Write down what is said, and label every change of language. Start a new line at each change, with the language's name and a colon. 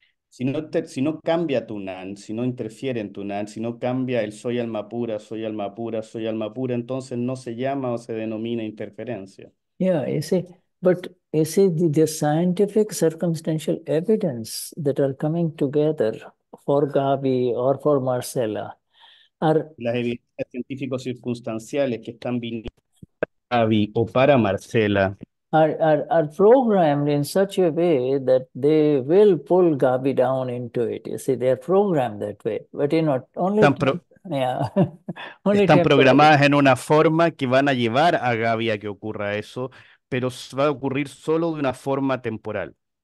Spanish: Si no cambia tu NAN, si no interfiere en tu NAN, si no cambia el soy alma pura, soy alma pura, soy alma pura, entonces no se llama o se denomina interferencia.
English: Yeah, you see, but you see, the scientific circumstantial evidence that are coming together for Gabi or for Marcela are
Spanish: Las evidencias científicos circunstanciales que están viniendo para Gaby o para Marcela.
English: programmed in such a way that they will pull Gabi down into it. You see, they are programmed that way, but you know, only only
Spanish: Están
English: temporarily.
Spanish: programadas en una forma que van a llevar a Gaby a que ocurra eso, pero va a ocurrir solo de una forma temporal.